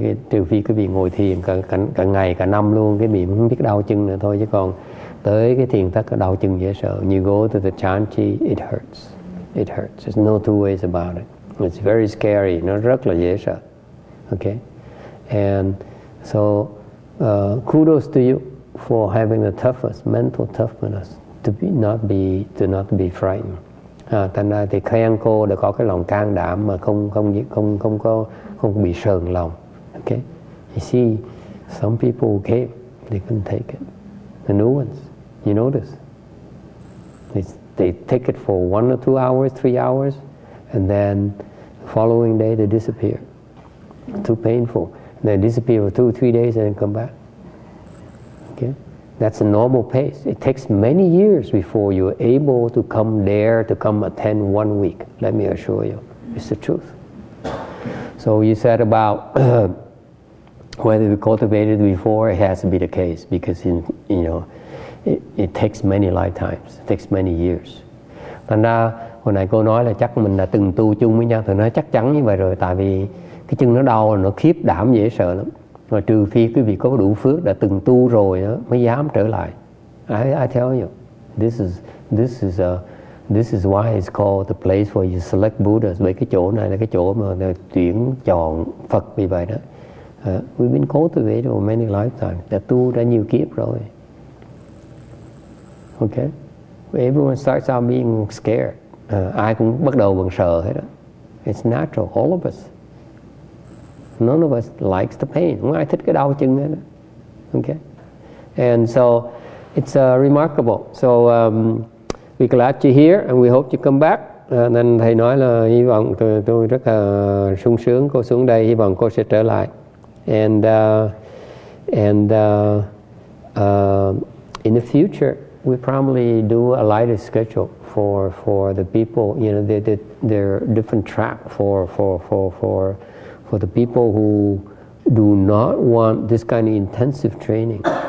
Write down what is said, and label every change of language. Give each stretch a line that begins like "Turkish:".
Vietnamese: Trừ phi quý vị ngồi thiền cả ngày cả năm luôn, cái miệng không biết đau chân nữa thôi, chứ còn tới cái thiền tất cả đau chân dễ sợ.
English: You go to the Chan Chi, it hurts. There's no two ways about it. It's very scary,
Vietnamese: nó rất là dễ sợ.
English: Okay, and so kudos to you for having the toughest mental toughness to not be frightened.
Vietnamese: Thành ra thì khen cô đã có cái lòng can đảm mà không bị sờn lòng.
English: Okay, you see, some people who came, they couldn't take it. The new ones, you notice, they take it for 1 or 2 hours, 3 hours, and then the following day they disappear. Too painful. And they disappear for 2 or 3 days and then come back. Okay, that's a normal pace. It takes many years before you're able to come there to come attend 1 week. Let me assure you, it's the truth. So you said about whether we cultivated before, it has to be the case, because it takes many lifetimes, it takes many years.
Vietnamese: Thành ra hồi nãy cô nói là chắc mình đã từng tu chung với nhau, thì nói chắc chắn như vậy rồi, tại vì cái chân nó đau là nó khiếp đảm dễ sợ lắm. Mà trừ phi quý vị có đủ phước đã từng tu rồi đó, mới dám trở lại.
English: I tell you, this is why it's called the place where you select Buddhas.
Vietnamese: Bởi cái chỗ này là cái chỗ mà tuyển chọn Phật vì vậy đó.
English: We've been cultivated for many lifetimes.
Vietnamese: Đã tu đã nhiều kiếp rồi.
English: Okay. Everyone starts out being scared.
Vietnamese: Ai cũng bắt đầu bằng sợ hết đó.
English: It's natural. All of us. None of us likes the pain.
Vietnamese: Không ai thích cái đau chân hết đó.
English: Okay. And so it's remarkable. So we're glad you're here and we hope you come back.
Vietnamese: Nên thầy nói là hy vọng tôi rất là sung sướng cô xuống đây. Hy vọng cô sẽ trở lại.
English: And in the future we probably do a lighter schedule for the people, you know, their different track for the people who do not want this kind of intensive training.